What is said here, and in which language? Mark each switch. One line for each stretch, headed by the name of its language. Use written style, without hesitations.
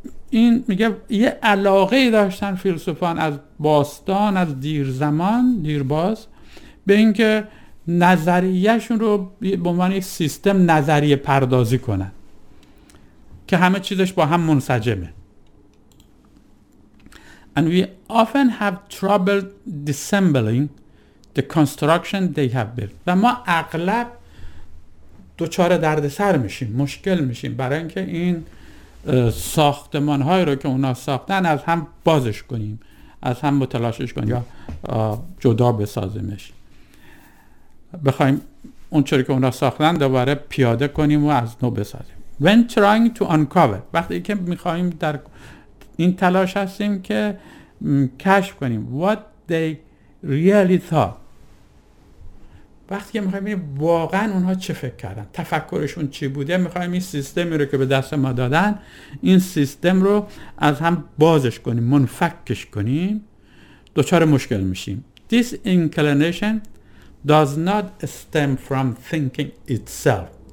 Persian: این میگه یه علاقه داشتن فیلسوفان از باستان، از دیر زمان، دیر باز، به اینکه نظریهشون رو به عنوان یک سیستم نظریه پردازی کنن که همه چیزش با هم منسجمه.
English: And we often have trouble dissembling the construction they have built.
Persian: و ما اغلب دوچار درد سر میشیم، مشکل میشیم برای اینکه این ساختمان هایی رو که اونا ساختن از هم بازش کنیم، از هم متلاشش کنیم یا جدا بسازیمش، بخوایم اون چوری که اونا ساختن دوباره پیاده کنیم و از نو بسازیم.
English: When trying to uncover،
Persian: وقتی که میخوایم در این تلاش هستیم که کشف کنیم
English: what they really thought،
Persian: وقتی که میخواییم واقعا اونها چه فکر کردن، تفکرشون چی بوده، میخواییم این سیستمی رو که به دست ما دادن، این سیستم رو از هم بازش کنیم، منفکش کنیم، دوچار مشکل میشیم.
English: This inclination does not stem from thinking itself.